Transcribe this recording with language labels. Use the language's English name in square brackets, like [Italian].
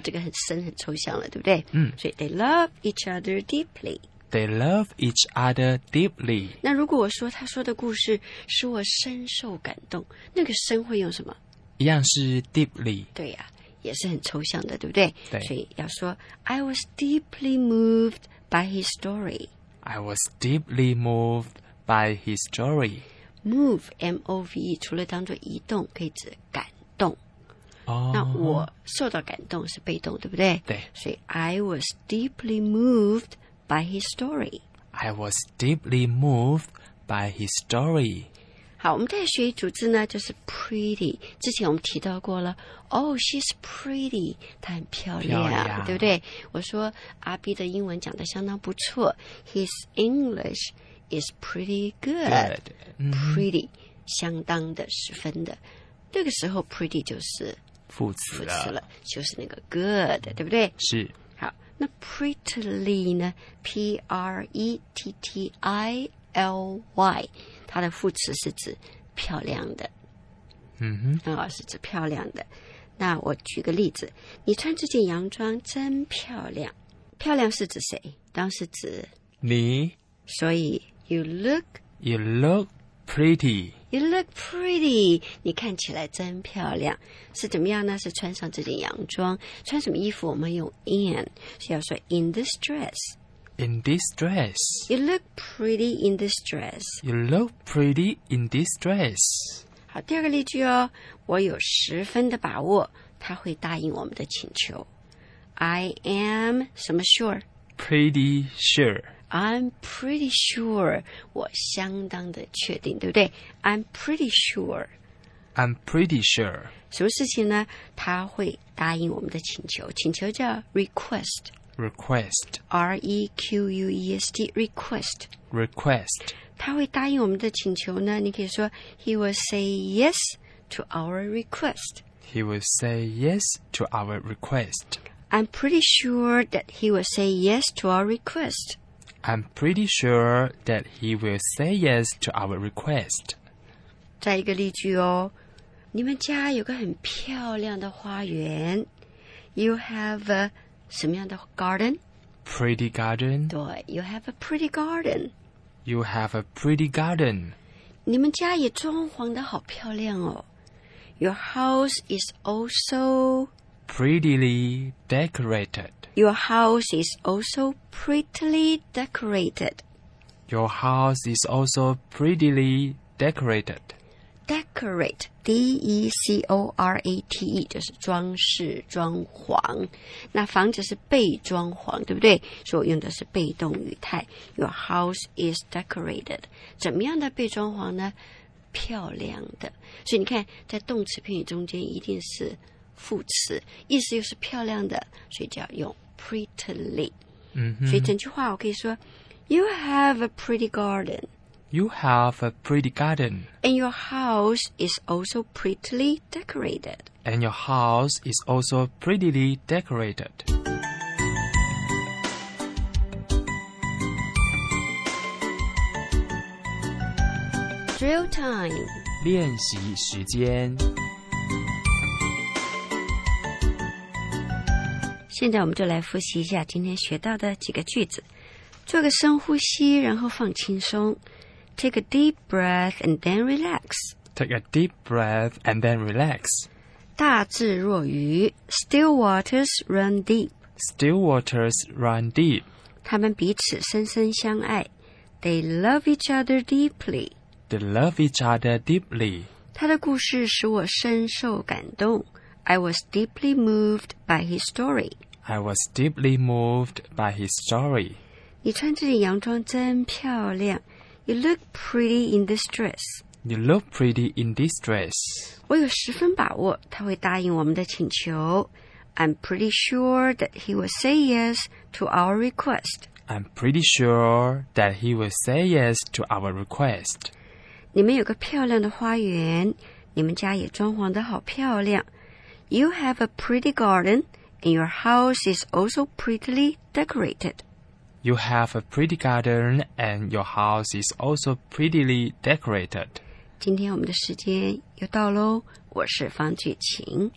[Chinese] 这个很深很抽象了，对不对？所以 [English] they love each other deeply。 They love each other deeply。 [Chinese] 那如果我说他说的故事使我深受感动，那个深会用什么？一样是 deeply。对呀、也是很抽象的，对不对？对。所以要说 [English] I was deeply moved by his story。 I was deeply moved by his story。 [Chinese] Move M-O-V-E 除了当作移动可以指感动、那我受到感动是被动，对不对？对。 [English] 所以 I was deeply moved by his story。 I was deeply moved by his story。 [Chinese] 好，我们再学一组字呢，就是 pretty。之前我们提到过了， [English] Oh, she's pretty， [Chinese] 她很漂亮， 对不对？我说阿 B 的英文讲得相当不错， [English] His English is pretty good、 mm-hmm. [Chinese] pretty 相当的，十分的，这个时候 pretty 就是副词了，就是那个 good， 对不对？是。好，那 prettily 呢， P-R-E-T-T-I-L-Y， 它的副词是指漂亮的，嗯哼、哦、是指漂亮的。那我举个例子，你穿这件洋装真漂亮。漂亮是指谁？当时指你， [English] 所以 You look pretty. You look pretty. [Chinese] 你看起来真漂亮。是怎么样呢？是穿上这件洋装。穿什么衣服？我们用 in， 是要说 [English] in this dress. In this dress. You look pretty in this dress. You look pretty in this dress. [Chinese] 好，第二个例句哦，我有十分的把握他会答应我们的请求。 [English] I am 什么 sure? Pretty sure. I'm pretty sure. [Chinese] 我相当的确定，对不对？ [English] I'm pretty sure. I'm pretty sure. [Chinese] 什么事情呢？他会答应我们的请求。请求叫 request. [English] Request. R-E-Q-U-E-S-T. Request. Request. [Chinese] 他会答应我们的请求呢？你可以说 [English] He will say yes to our request. He will say yes to our request. I'm pretty sure that he will say yes to our request. I'm pretty sure that he will say yes to our request. [Chinese] 再一个例句哦，你们家有个很漂亮的花园。 [English] You have a [Chinese] 什么样的 [English] garden? Pretty garden. 对， you have a pretty garden. You have a pretty garden. [Chinese] 你们家也装潢得好漂亮哦。 [English] Your house is also prettily decorated. Your house is also prettily decorated. Your house is also prettily decorated. [Chinese] Decorate, D-E-C-O-R-A-T-E, 就是装饰装潢。那房子是被装潢，对不对？所以我用的是被动语态。 [English] Your house is decorated. [Chinese] 怎么样的被装潢呢？漂亮的。所以你看，在动词片语中间一定是副词，意思又是漂亮的，所以就要用prettily、 mm-hmm. 所以整句话我可以说 [English] You have a pretty garden. You have a pretty garden. And your house is also prettily decorated. And your house is also prettily decorated. Drill time [Chinese] 练习时间，现在我们就来复习一下今天学到的几个句子。做个深呼吸，然后放轻松。 [English] Take a deep breath and then relax. Take a deep breath and then relax. [Chinese] 大智若愚。 [English] Still waters run deep. Still waters run deep. [Chinese] 他们彼此深深相爱。 [English] They love each other deeply. They love each other deeply. [Chinese] 他的故事使我深受感动。 [English] I was deeply moved by his story. I was deeply moved by his story. [Chinese] 你穿这件洋装真漂亮。 [English] You look pretty in this dress. You look pretty in this dress. [Chinese] 我有十分把握他会答应我们的请求。 [English] I'm pretty sure that he will say yes to our request. I'm pretty sure that he will say yes to our request. [Chinese] 你们有个漂亮的花园，你们家也装潢得好漂亮。 [English] You have a pretty garden, and your house is also prettily decorated. You have a pretty garden, and your house is also prettily decorated. [Chinese] 今天我们的时间又到咯，我是方俊晴，